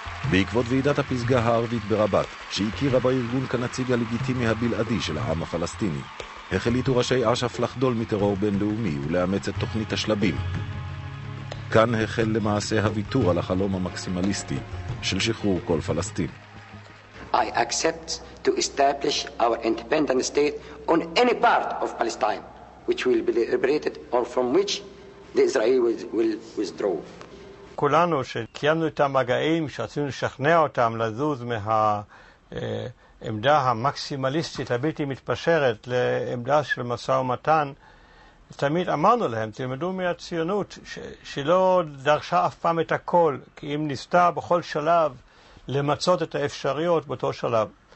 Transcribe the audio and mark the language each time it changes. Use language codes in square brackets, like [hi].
[he] בעקבות ועידת הפסגה הערבית ברבט, שהכירה בארגון כנציג הלגיטימי הבלעדי של העם הפלסטיני, החליטו ראשי אשף לחדול מטרור בינלאומי ולאמץ את תוכנית השלבים. כאן החל למעשה הוויתור על החלום המקסימליסטי של שחרור כל פלסטין. [en] I accept to establish our independent state on any part of Palestine, which will be liberated or from which the Israeli will withdraw. [he] כולנו שקיימנו את המגעים, שרצינו לשכנע אותם לזוז מהעמדה המקסימליסטית הבלתי מתפשרת לעמדה של מסע ומתן, תמיד אמרנו להם, תלמדו מהציונות, שלא דרשה אף פעם את הכל, כי אם ניסתה בכל שלב למצות את האפשריות באותו שלב.